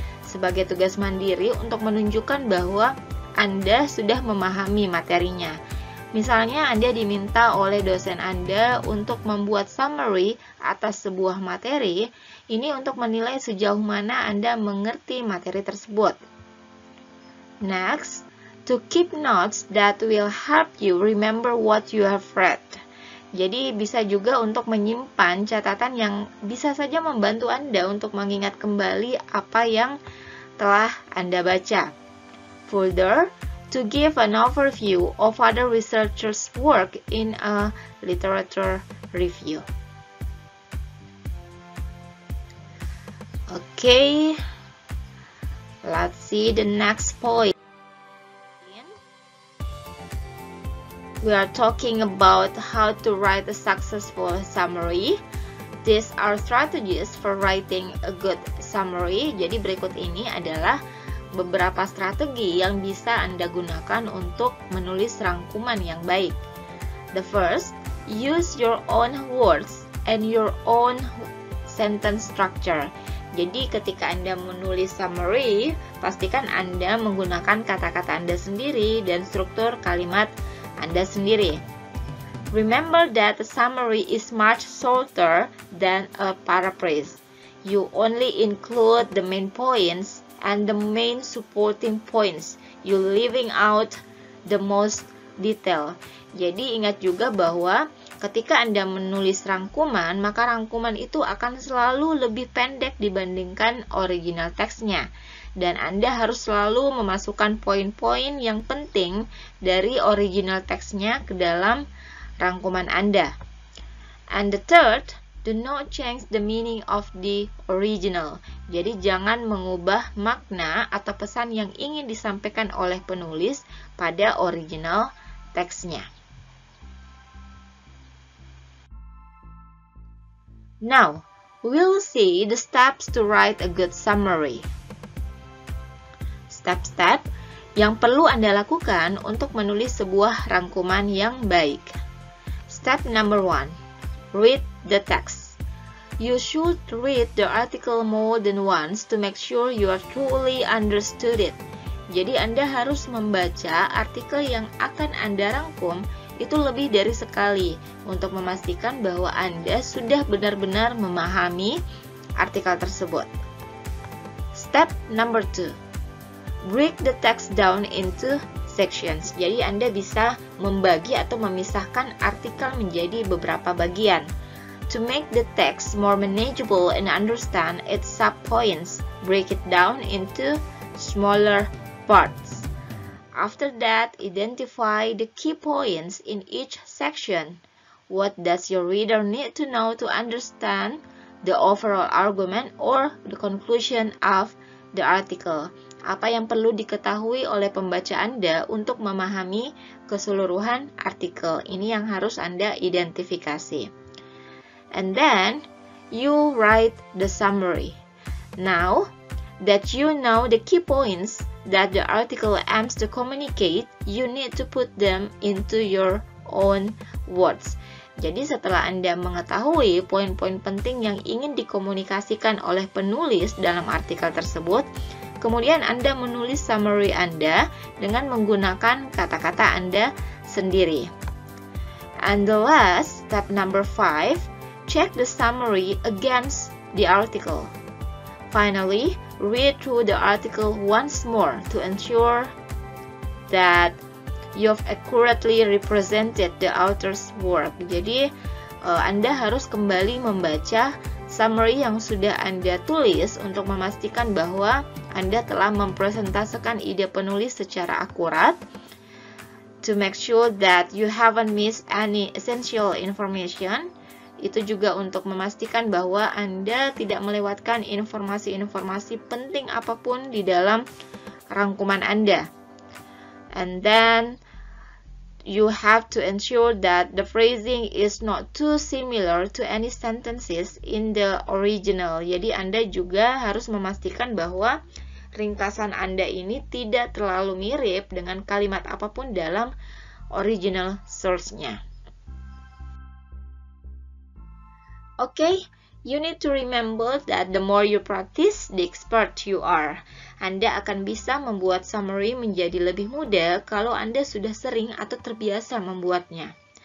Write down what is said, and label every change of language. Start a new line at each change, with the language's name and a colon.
Indonesian: Sebagai tugas mandiri untuk menunjukkan bahwa Anda sudah memahami materinya. Misalnya, Anda diminta oleh dosen Anda untuk membuat summary atas sebuah materi, ini untuk menilai sejauh mana Anda mengerti materi tersebut.
English: Next, to keep notes that will help you remember what you have read.
Indonesian: Jadi, bisa juga untuk menyimpan catatan yang bisa saja membantu Anda untuk mengingat kembali apa yang telah Anda baca.
English: Further, to give an overview of other researchers' work in a literature review. Okay, let's see the next point. We are talking about how to write a successful summary. These are strategies for writing a good summary.
Indonesian: Jadi berikut ini adalah beberapa strategi yang bisa Anda gunakan untuk menulis rangkuman yang baik.
English: The first, use your own words and your own sentence structure.
Indonesian: Jadi ketika Anda menulis summary, pastikan Anda menggunakan kata-kata Anda sendiri dan struktur kalimat Anda sendiri.
English: Remember that a summary is much shorter than a paraphrase. You only include the main points and the main supporting points. You leaving out the most detail.
Indonesian: Jadi ingat juga bahwa ketika Anda menulis rangkuman, maka rangkuman itu akan selalu lebih pendek dibandingkan original teksnya. Dan Anda harus selalu memasukkan poin-poin yang penting dari original teksnya ke dalam rangkuman Anda.
English: And the third, do not change the meaning of the original.
Indonesian: Jadi jangan mengubah makna atau pesan yang ingin disampaikan oleh penulis pada original teksnya.
English: Now, we'll see the steps to write a good summary.
Indonesian: Step-step yang perlu Anda lakukan untuk menulis sebuah rangkuman yang baik.
English: Step number one, read the text. You should read the article more than once to make sure you are truly understood it.
Indonesian: Jadi Anda harus membaca artikel yang akan Anda rangkum itu lebih dari sekali untuk memastikan bahwa Anda sudah benar-benar memahami artikel tersebut.
English: Step number two, break the text down into sections.
Indonesian: Jadi Anda bisa membagi atau memisahkan artikel menjadi beberapa bagian.
English: To make the text more manageable and understand its subpoints, break it down into smaller parts. After that, identify the key points in each section. What does your reader need to know to understand the overall argument or the conclusion of the article?
Indonesian: Apa yang perlu diketahui oleh pembaca Anda untuk memahami keseluruhan artikel? Ini yang harus Anda identifikasi.
English: And then, you write the summary. Now that you know the key points that the article aims to communicate, you need to put them into your own words.
Indonesian: Jadi setelah Anda mengetahui poin-poin penting yang ingin dikomunikasikan oleh penulis dalam artikel tersebut, kemudian Anda menulis summary Anda dengan menggunakan kata-kata Anda sendiri.
English: And the last, step number 5, check the summary against the article. Finally, read through the article once more to ensure that you've accurately represented the author's work.
Indonesian: Jadi, Anda harus kembali membaca summary yang sudah Anda tulis untuk memastikan bahwa Anda telah mempresentasikan ide penulis secara akurat
English: to make sure that you haven't missed any essential information.
Indonesian: Itu juga untuk memastikan bahwa Anda tidak melewatkan informasi-informasi penting apapun di dalam rangkuman Anda.
English: And then you have to ensure that the phrasing is not too similar to any sentences in the original.
Indonesian: Jadi Anda juga harus memastikan bahwa ringkasan Anda ini tidak terlalu mirip dengan kalimat apapun dalam original source-nya.
English: Okay, you need to remember that the more you practice, the expert you are.
Indonesian: Anda akan bisa membuat summary menjadi lebih mudah kalau Anda sudah sering atau terbiasa membuatnya.